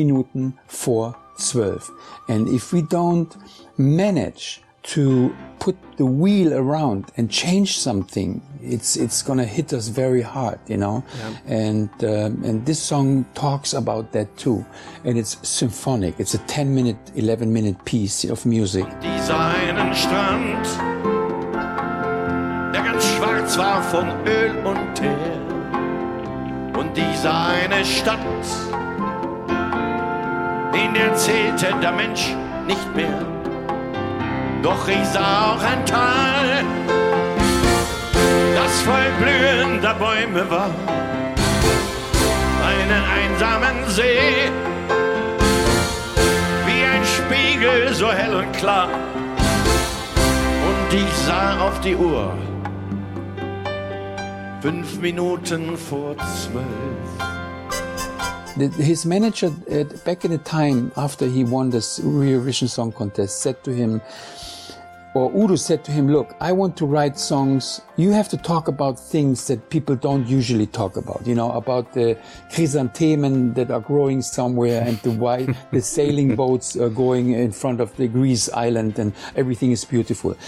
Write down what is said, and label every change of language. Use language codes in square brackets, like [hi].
[de] 5 Minuten vor 12. [en] And if we don't manage to put the wheel around and change something, it's gonna hit us very hard, you know? Yeah. And this song talks about that too. And it's symphonic. It's a 10-minute, 11-minute piece of music. [de] Und diesen Strand, der ganz schwarz war von Öl und Teer. Und diese eine Stadt, in der zählte der Mensch nicht mehr, doch ich sah auch ein Tal, das voll blühender Bäume war, einen einsamen See, wie ein Spiegel so hell und klar, und ich sah auf die Uhr, 5 Minuten vor 12. [en] His manager, back in the time after he won this Eurovision Song Contest, said to him, or Udo said to him, look, I want to write songs. You have to talk about things that people don't usually talk about, you know, about the chrysanthemum that are growing somewhere and the white, the sailing boats are going in front of the Greece island and everything is beautiful.